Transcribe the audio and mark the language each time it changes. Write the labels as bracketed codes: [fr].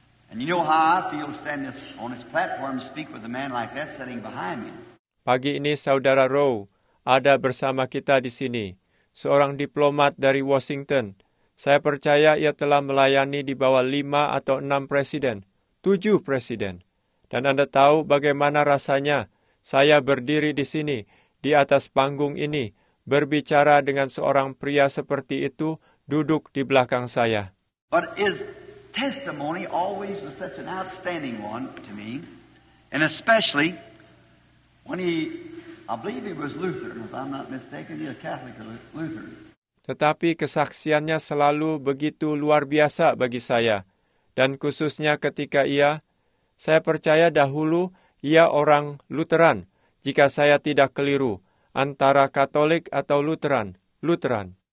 [en] And you know how I feel standing on this platform to speak with a man like that sitting behind me. [id] Pagi ini Saudara Roll ada bersama kita di sini, seorang diplomat dari Washington. Saya percaya ia telah melayani di bawah 5 atau 6 presiden, 7 presiden. Dan Anda tahu bagaimana rasanya saya berdiri di sini, di atas panggung ini, berbicara dengan seorang pria seperti itu duduk di belakang saya. [en] But his testimony always was such an outstanding one to me, and especially when I believe he was Lutheran, if I'm not mistaken, he was Catholic or Lutheran. [id] Tetapi kesaksiannya selalu begitu luar biasa bagi saya, dan khususnya ketika ia, saya percaya dahulu ia orang Lutheran, jika saya tidak keliru, antara Katolik atau Lutheran. Lutheran.